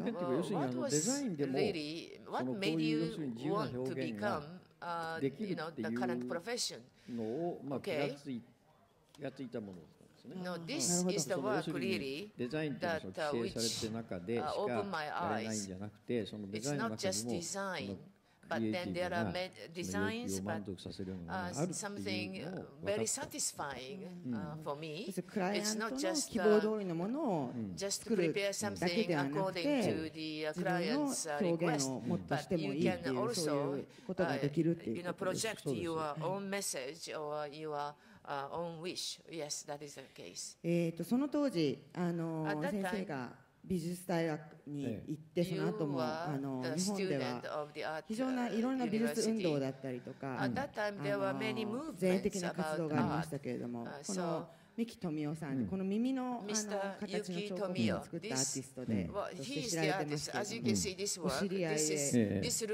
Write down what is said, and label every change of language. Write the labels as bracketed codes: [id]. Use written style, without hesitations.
[ja] きっかけというか、要するにデザインでもそのこういう要するに自由な表現ができるっていうのを、まあ、気がついたものなんですね。なるほど。要するにデザインというのは規制されている中でしかやれないんじゃなくて、そのデザインの中にも [en] but then there are designs, but something very satisfying for me. It's not just, just to prepare something according to the client's request, but you can also you know, project your own message or your own wish. Yes, that is the case. [ja] その当時、先生が美術大学に行って、その後も日本では非常ないろんな美術運動だったりとか、前衛的な活動がありましたけれども、この三木富男さん、この耳 の, あの形の彫刻を作ったアーティストで、そして知られてますけれども、お知り合いで、